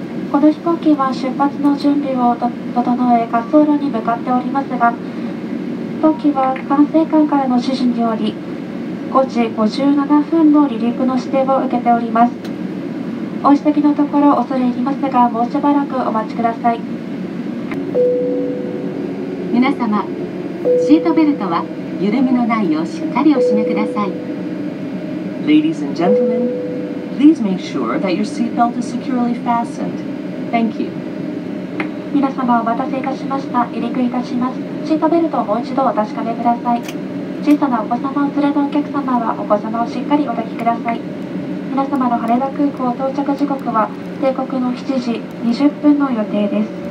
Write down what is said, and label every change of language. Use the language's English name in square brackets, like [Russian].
[Japanese] この飛行機は出発の準備を整え、滑走路に向かっておりますが、飛行機は管制官からの指示により、5時57分の離陸の指定を受けております。お指摘のところ恐れ入りますが、もうしばらくお待ちください。皆様、シートベルトは緩みのないようしっかりお締めください。 [English] Ladies and gentlemen, please make sure that your seatbelt is securely fastened. Thank you. [Japanese] 皆様、お待たせいたしました。離陸いたします。シートベルトをもう一度お確かめください。小さなお子様を連れたお客様はお子様をしっかりお抱きください。皆様の羽田空港到着時刻は定刻の7時20分の予定です。